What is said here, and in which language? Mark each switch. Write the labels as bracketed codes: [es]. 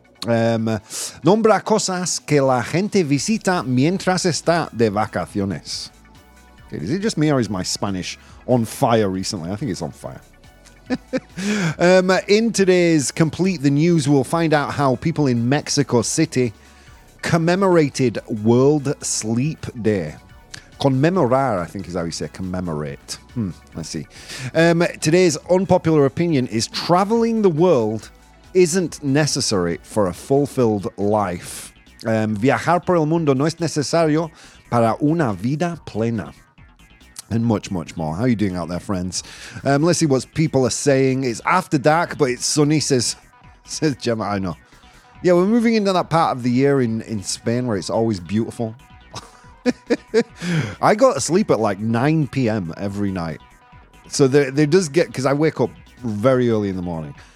[es] Nombra cosas que la gente visita mientras está de vacaciones. [en] Okay, is it just me or is my Spanish on fire recently? I think it's on fire. In today's Complete the News, we'll find out how people in Mexico City commemorated World Sleep Day. Conmemorar, I think is how you say commemorate. Let's see. Today's unpopular opinion is traveling the world isn't necessary for a fulfilled life. [es] Viajar por el mundo no es necesario para una vida plena. [en] And much, much more. How are you doing out there, friends? Let's see what people are saying. It's after dark, but it's sunny, says Gemma. I know. Yeah, we're moving into that part of the year in Spain where it's always beautiful. I go to sleep at like 9 p.m. every night. So there does get, because I wake up very early in the morning.